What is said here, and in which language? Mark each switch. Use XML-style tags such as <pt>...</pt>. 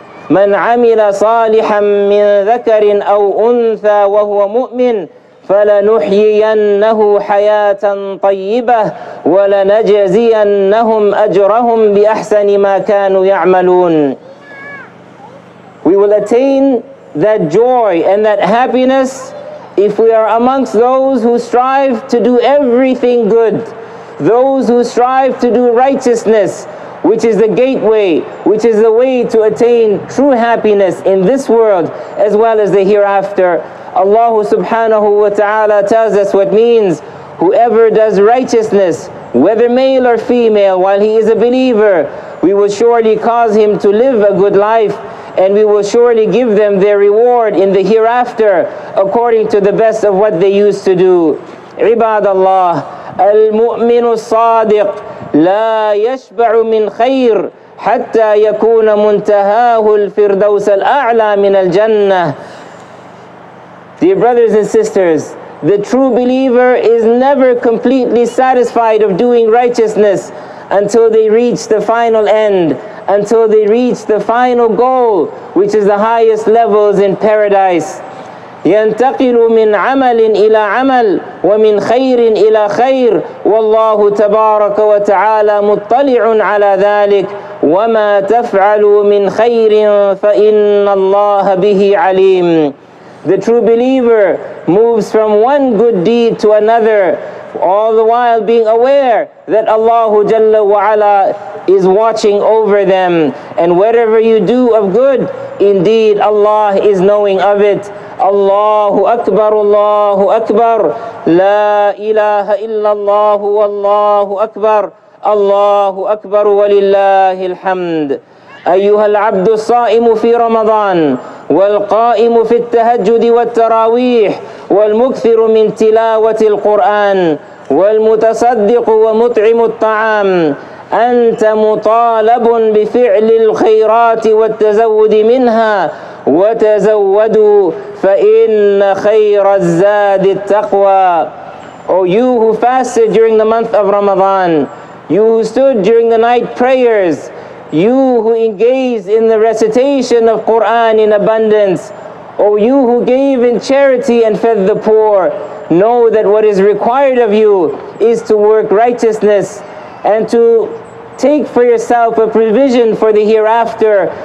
<ar>من عمل صالحا من ذكر أو أنثى وهو مؤمن فلنحيينه حياة طيبة ولنجزينهم أجرهم بأحسن ما كانوا يعملون.</ar> <en>We will attain that joy and that happiness if we are amongst those who strive to do everything good, those who strive to do righteousness, which is the gateway, which is the way to attain true happiness in this world as well as the hereafter. Allah subhanahu wa ta'ala tells us what means. Whoever does righteousness, whether male or female, while he is a believer, we will surely cause him to live a good life, and we will surely give them their reward in the hereafter according to the best of what they used to do.</en> <ar>Ibadallah, al-mu'minu sadiq لا يشبع من خير حتى يكون منتهاه الفردوس الأعلى من الجنة.</ar> <en>Dear brothers and sisters, the true believer is never completely satisfied of doing righteousness until they reach the final end, until they reach the final goal, which is the highest levels in paradise.</en> <ar>ينتقل من عمل إلى عمل ومن خير إلى خير والله تبارك وتعالى مطلع على ذلك وما تفعل من خير فإن الله به عليم.</ar> <en>The true believer moves from one good deed to another, all the while being aware that Allah Jalla wa Ala is watching over them. And whatever you do of good, indeed Allah is knowing of it.</en> <ar>Allahu Akbar, Allahu Akbar. La ilaha illallah, Allahu Akbar. Allahu Akbar wa lillahi alhamd. أيها العبد الصائم في رمضان والقائم في التهجد والتراويح والمكثر من تلاوة القرآن والمتصدق ومطعم الطعام أنت مطالب بفعل الخيرات والتزود منها وتزودوا فإن خير الزاد التقوى.</ar> <en>O you who fasted during the month of Ramadan, you who stood during the night prayers, you who engaged in the recitation of Quran in abundance, O you who gave in charity and fed the poor, know that what is required of you is to work righteousness and to take for yourself a provision for the hereafter.</en>